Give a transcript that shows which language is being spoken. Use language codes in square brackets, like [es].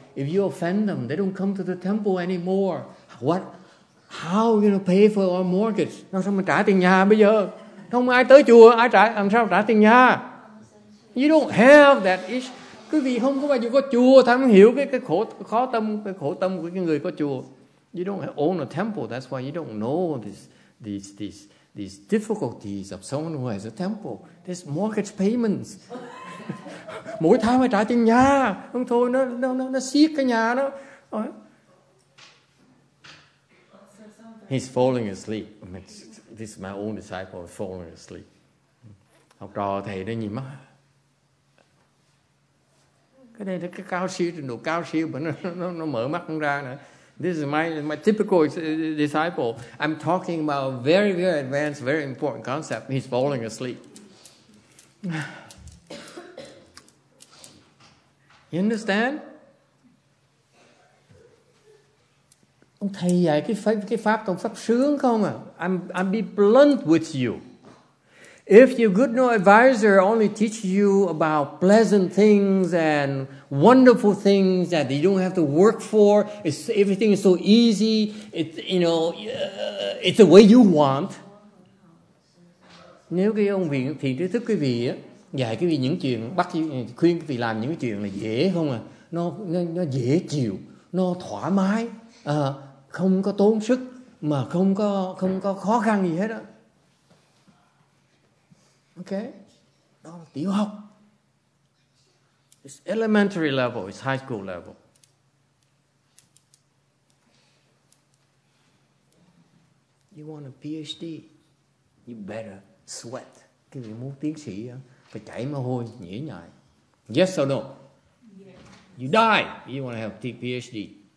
[en] If you offend them, they don't come to the temple anymore. What? How are you going to pay for our mortgage? [vi] Làm sao mà trả tiền nhà bây giờ? Không ai tới chùa, ai trả, làm sao trả tiền nhà? [en] You don't have that issue. [vi] Quý vị không có bao giờ có chùa, thầy không hiểu cái khổ tâm của cái người có chùa. [en] You don't own a temple, that's why you don't know these difficulties of someone who has a temple. There's mortgage payments. [vi] Mỗi tháng phải trả tiền nhà, không thôi nó siết cái nhà đó. [en] He's falling asleep. I mean, this is my own disciple falling asleep. [vi] Học trò thầy đó nhìn mắt. Cái này là cái cao siêu, trình độ cao siêu mà nó mở mắt không ra nữa. [en] This is my typical disciple. I'm talking about very very advanced, very important concept. He's falling asleep. You understand? [vi] Ông thầy dạy cái pháp tông pháp sướng không à? [en] I'm be blunt with you. If your good no advisor only teaches you about pleasant things and wonderful things that you don't have to work for, it's everything is so easy. It's the way you want. [vi] Nếu cái ông viện thiện trí thức quý vị á, dạy quý vị những chuyện bắt khuyên quý vị làm những chuyện là dễ không à? Nó dễ chịu, nó thoải mái, không có tốn sức mà không có khó khăn gì hết á. [en] Ok, [vi] đó là tiểu học. [en] It's elementary level, it's high school level. You want a PhD, you better sweat. [vi] Cái gì muốn tiến sĩ phải chảy mồ hôi nhễ nhại. [en] Yes or no? Yes. You die, you want to have a PhD.